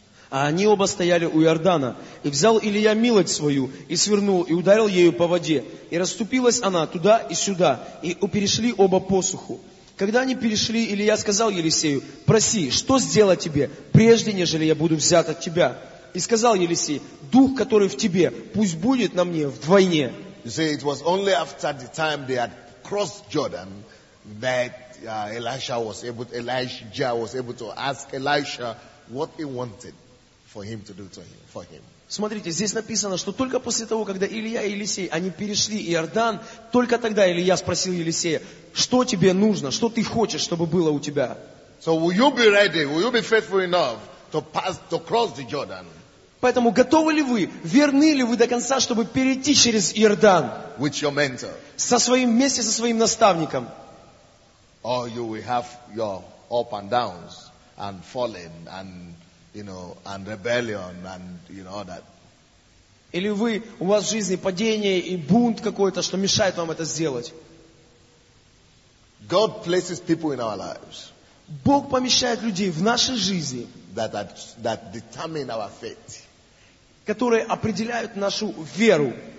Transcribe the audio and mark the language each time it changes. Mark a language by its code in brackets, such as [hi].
[ru] А они оба стояли у Иордана. И взял Илия милость свою, и свернул, и ударил ею по воде. И расступилась она туда и сюда, и перешли оба посуху. Когда они перешли, Илия сказал Елисею, проси, что сделать тебе, прежде нежели я буду взят от тебя? И сказал Елисей, дух, который в тебе, пусть будет на мне вдвойне. [en] You see, it was only after the time they had crossed Jordan that Elijah was able to ask Elisha what he wanted. For him. [ru] Смотрите, здесь написано, что только после того, когда Илия и Елисей, они перешли Иордан, только тогда Илия спросил Елисея, что тебе нужно, что ты хочешь, чтобы было у тебя. [en] So will you be ready? Will you be faithful enough to cross the Jordan? [ru] Поэтому готовы ли вы, верны ли вы до конца, чтобы перейти через Иордан? [en] With your mentor. [ru] Со своим наставником. [en] Or you will have your up and downs and falling and and rebellion and all that. [ru] Или вы, у вас в жизни падение и бунт какой-то, что мешает вам это сделать. [en] God places people in our lives. [ru] Бог помещает людей в нашей жизни. [en] That determine our faith. [ru] Которые определяют нашу веру.